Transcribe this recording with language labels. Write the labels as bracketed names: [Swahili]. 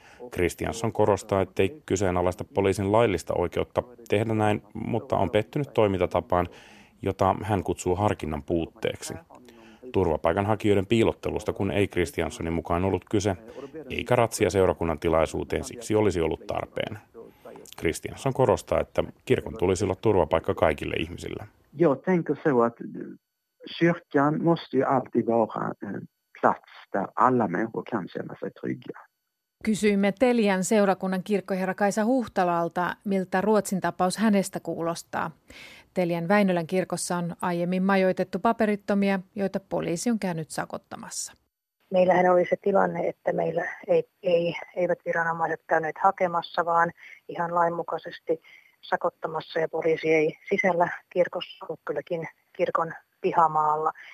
[Finnish] Christiansson korostaa, ettei kyseenalaista poliisin laillista oikeutta tehdä näin, mutta on pettynyt toimintatapaan, jota hän kutsuu harkinnan puutteeksi. Turvapaikanhakijoiden piilottelusta, kun ei Christianssonin mukaan ollut kyse, eikä ratsia seurakunnan tilaisuuteen siksi olisi ollut tarpeen. Christiansson korostaa, että kirkon tulisi olla turvapaikka kaikille ihmisille. Joo, tänkö se, että [Swedish] kyrkan måste ju alltid vara plats där alla människor kan känna sig trygga. Kysyimme Telian seurakunnan kirkkoherra Kaisa Huhtalalta, miltä Ruotsin tapaus hänestä kuulostaa. Telian Väinölän kirkossa on aiemmin majoitettu paperittomia, joita poliisi on käynyt sakottamassa. Meillähän oli se tilanne, että meillä eivät viranomaiset käyneet hakemassa, vaan ihan lainmukaisesti sakottamassa ja poliisi ei sisällä kirkossa, ollut kylläkin kirkon pihamaalla.